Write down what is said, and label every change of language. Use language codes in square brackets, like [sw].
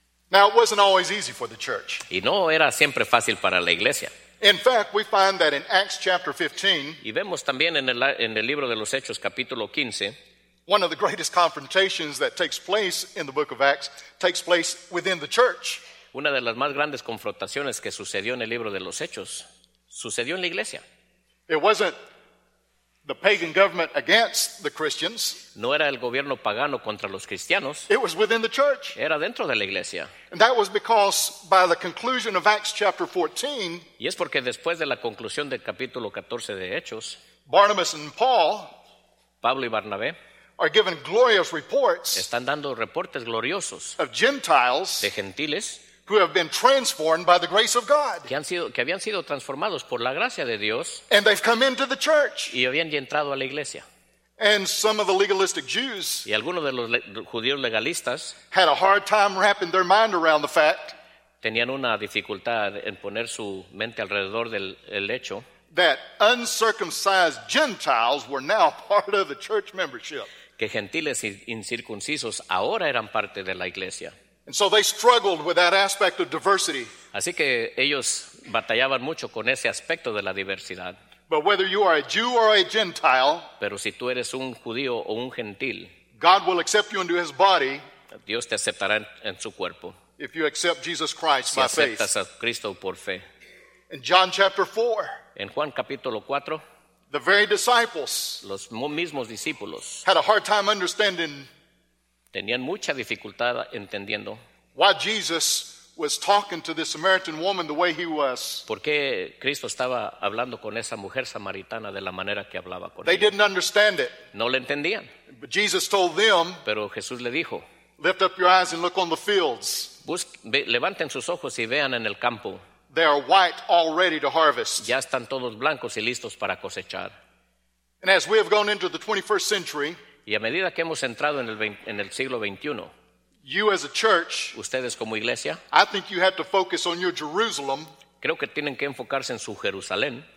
[en] Now it wasn't always easy for the church. [es] Y no era siempre fácil para la iglesia. [en] In fact, we find that in Acts chapter 15. [es] Y vemos también en el libro de los Hechos capítulo 15. [en] One of the greatest confrontations that takes place in the book of Acts takes place within the church. [es] Una de las más grandes confrontaciones que sucedió en el libro de los Hechos sucedió en la iglesia. [en] It wasn't the pagan government against the Christians. [es] No era el gobierno pagano contra los cristianos. [en] It was within the church. [es] Era dentro de la iglesia. [en] And that was because by the conclusion of Acts chapter 14. [es] Y es porque después de la conclusión del capítulo 14 de Hechos, [en] Barnabas and Paul, [es] Pablo y Barnabé, [en] are given glorious reports. [es] Están dando reportes gloriosos [en] of Gentiles, [es] de gentiles, [en] who have been transformed by the grace of God. [es] Que habían sido transformados por la gracia de Dios. [en] And they've come into the church. [es] Y habían entrado a la iglesia. [en] And some of the legalistic Jews. [es] Y algunos de los judíos legalistas. [en] Had a hard time wrapping their mind around the fact. [es] Tenían una dificultad en poner su mente alrededor del el hecho. [en] That uncircumcised Gentiles were now part of the church membership. [es] Que gentiles incircuncisos ahora eran parte de la iglesia. [en] And so they struggled with that aspect of diversity. [es] Así que ellos batallaban mucho con ese aspecto de la diversidad. [en] But whether you are a Jew or a Gentile, [es] pero si tú eres un judío o un gentil, [en] God will accept you into his body. [es] Dios te aceptará en su cuerpo. [en] If you accept Jesus Christ by faith. [es] Si aceptas a Cristo por fe. [en] In John chapter 4. [es] En Juan capítulo 4. [en] The very disciples. [es] Los mismos discípulos. [en] Had a hard time understanding. [es] Tenían mucha dificultad entendiendo. [en] Why Jesus was talking to this Samaritan woman the way he was. [es] ¿Por qué Cristo estaba hablando con esa mujer samaritana de la manera que hablaba con ella? [en] They didn't understand it. [es] No le entendían. [en] But Jesus told them. [es] Pero Jesús le dijo. [en] Lift up your eyes and look on the fields. [es] Levanten sus ojos y vean en el campo. [en] They are white already to harvest. [es] Ya están todos blancos y listos para cosechar. [en] And as we have gone into the 21st century. [es] Y a medida que hemos entrado en el siglo 21, [en] you as a church, [es] ustedes como iglesia, [en] I think you have to focus on your Jerusalem, [es] creo que tienen que enfocarse en su Jerusalén,